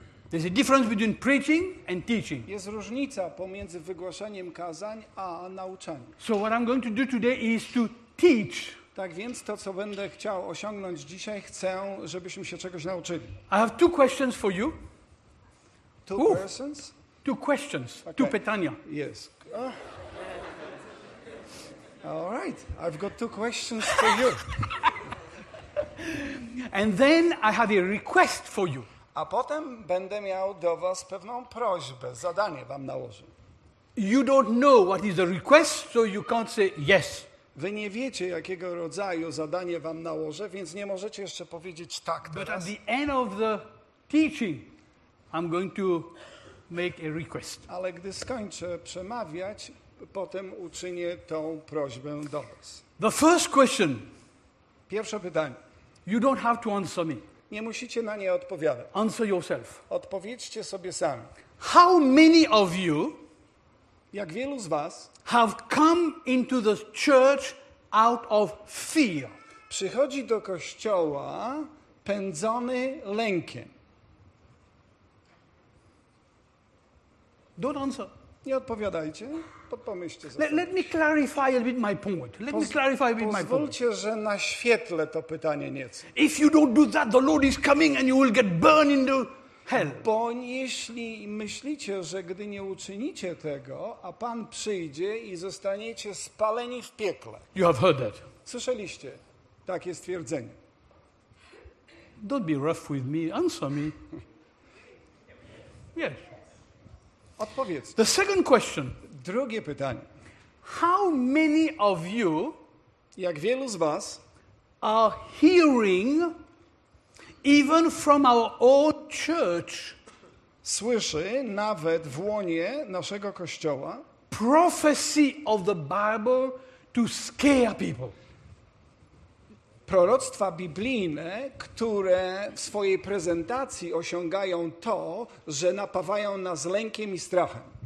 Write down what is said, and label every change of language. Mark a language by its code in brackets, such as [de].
[en] There's a difference between preaching and teaching. [pl] Jest różnica pomiędzy wygłaszaniem kazań a nauczaniem. [en] So what I'm going to do today is to teach. [pl] Tak więc to, co będę chciał osiągnąć dzisiaj, chcę, żebyśmy się czegoś nauczyli. [en] I have two questions for you. Two persons? Two questions. Okay. Two pytania. Yes. All right. I've got two questions for you. And then I have a request for you. [pl] A potem będę miał do was pewną prośbę, zadanie wam nałożę. [en] You don't know what is the request, so you can't say yes. [pl] Wy nie wiecie, jakiego rodzaju zadanie wam nałożę, więc nie możecie jeszcze powiedzieć tak teraz. [en] But at the end of the teaching, I'm going to make a request. [pl] Ale gdy skończę przemawiać, potem uczynię tą prośbę do was. [en] The first question. [pl] Pierwsze pytanie. [en] You don't have to answer me. [pl] Nie musicie na nie odpowiadać. [en] Answer yourself. [pl] Odpowiedzcie sobie sami. [en] How many of you, [pl] jak wielu z was, [en] have come into the church out of fear? [pl] Przychodzi do kościoła pędzony lękiem. [en] Don't answer. [pl] Nie odpowiadajcie. Pomyślcie sobie. [en] Let me clarify a bit my point. Let me clarify a bit my point. [pl] Pozwólcie, że naświetlę to pytanie nieco. [en] If you don't do that, the Lord is coming and you will get burned into hell. [pl] Bo jeśli myślicie, że gdy nie uczynicie tego, a Pan przyjdzie i zostaniecie spaleni w piekle. [en] You have heard that. [pl] Słyszeliście takie stwierdzenie. [en] Don't be rough with me. Answer me. Yes. [pl] Odpowiedz. [en] The second question. [pl] Drugie pytanie. [en] How many of you, [pl] jak wielu z was, [en] are hearing even from our own church, [pl] słyszy nawet w łonie naszego kościoła [en] prophecy of the Bible to scare people? [pl] Proroctwa biblijne, które w swojej prezentacji osiągają to, że napawają nas lękiem i strachem.